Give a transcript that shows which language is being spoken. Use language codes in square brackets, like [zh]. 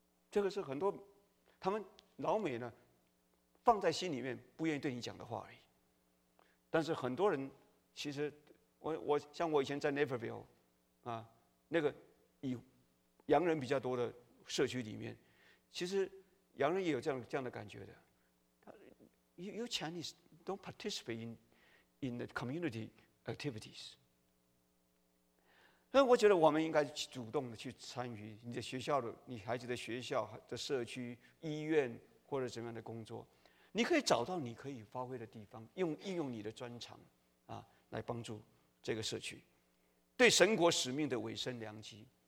[zh] 这个是很多他们老美呢放在心里面不愿意对你讲的话而已。但是很多人其实我像我以前在 Naperville 啊，那个以洋人比较多的社区里面，其实洋人也有这样的感觉的。 [en] You Chinese don't participate in the community activities。 [zh] 那我觉得我们应该主动的去参与你的学校的、你孩子的学校的社区、医院或者怎么样的工作，你可以找到你可以发挥的地方，应用你的专长啊，来帮助这个社区，对神国使命的委身良机。